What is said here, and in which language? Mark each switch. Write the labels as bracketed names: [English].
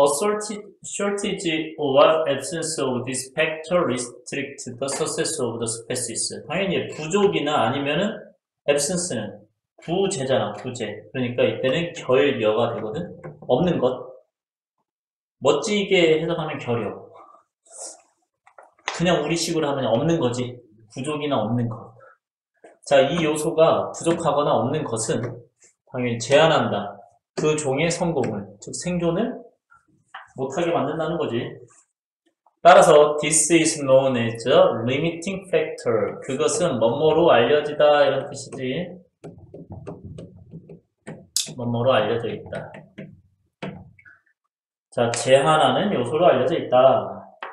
[English] A shortage or absence of this factor restricts the success of the species. [Korean] 당연히 부족이나 아니면은 absence는 부재잖아, 부재. 그러니까 이때는 결여가 되거든. 없는 것. 멋지게 해석하면 결여. 그냥 우리식으로 하면 없는 거지. 부족이나 없는 것. 자, 이 요소가 부족하거나 없는 것은 당연히 제한한다. 그 종의 성공을, 즉 생존을 못하게 만든다는 거지. 따라서 [English] this is known as a limiting factor. [Korean] 그것은 뭐뭐로 알려지다 이런 뜻이지. 뭐뭐로 알려져 있다. 자, 제한하는 요소로 알려져 있다.